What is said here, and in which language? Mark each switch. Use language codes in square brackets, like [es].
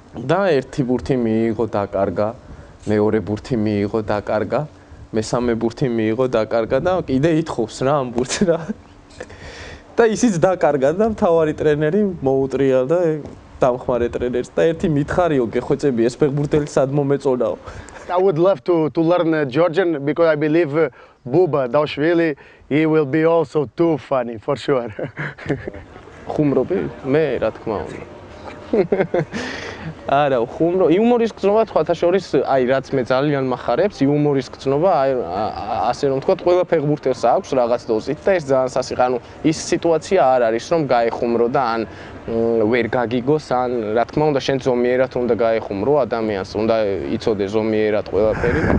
[ka] და ერთი ბურთი მიიღო დაკარგა. მეორე ბურთი მიიღო დაკარგა, მესამე ბურთი მიიღო დაკარგა და კიდე ითხოვს რა ამ ბურთს რა. და ისიც დაკარგა და მთავარი ტრენერი მოუტრია და დამხმარე ტრენერს და ერთი მითხარიო გეხვეწები ეს ფეხბურთელი სად მომეწონაო. [en] I would love to learn Georgian because I believe Buba Daushvili he will be also too funny for sure. [ka] ხუმრობი? მე რა თქმა უნდა. არა, ხუმრო, იუმორის გრძნობა თვათაშორის, აი რაც მე ძალიან מחარებს, იუმორის გრძნობა, აი ასე რომ ვთქვა, ყველა ფეხბურთელს აქვს რაღაც დოზით და ეს ძალიან სასიყვარულო. ანუ ის სიტუაცია არ არის, რომ გაეხუმრო და ან ვერ გაგიგოს, ან რა თქმა უნდა, შენ ზომიერად უნდა გაეხუმრო ადამიანს, უნდა იცოდე ზომიერად ყველაფერი.